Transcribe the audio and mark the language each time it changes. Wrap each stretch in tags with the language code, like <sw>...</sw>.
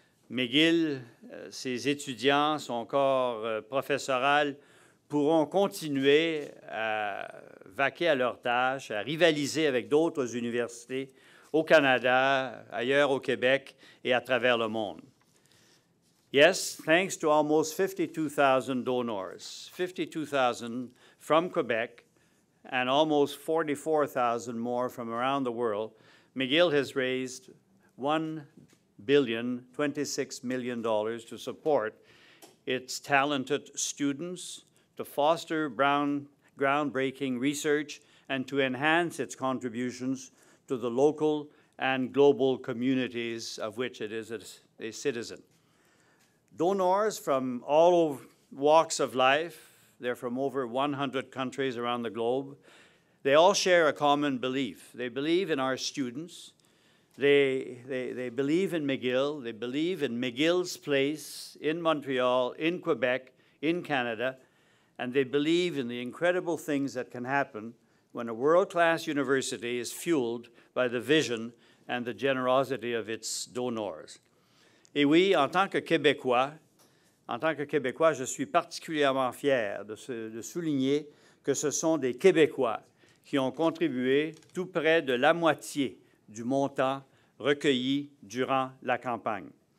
<fr>McGill, ses étudiants, son corps professoral pourront continuer à vaquer à leurs tâches, à rivaliser avec d'autres universités au Canada, ailleurs au Québec et à travers le monde.</fr> <en>Yes, thanks to almost 52,000 donors, 52,000 from Quebec, and almost 44,000 more from around the world, McGill has raised $1,026,000,000 to support its talented students, to foster groundbreaking research, and to enhance its contributions to the local and global communities of which it is a citizen. Donors from all walks of life, they're from over 100 countries around the globe. They all share a common belief. They believe in our students. They believe in McGill. They believe in McGill's place in Montreal, in Quebec, in Canada. And they believe in the incredible things that can happen when a world-class university is fueled by the vision and the generosity of its donors.</en> <fr>Et oui, en tant que Québécois, en tant que Québécois, je suis particulièrement fier de souligner que ce sont des Québécois qui ont contribué tout près de la moitié du montant recueilli durant la campagne.</fr>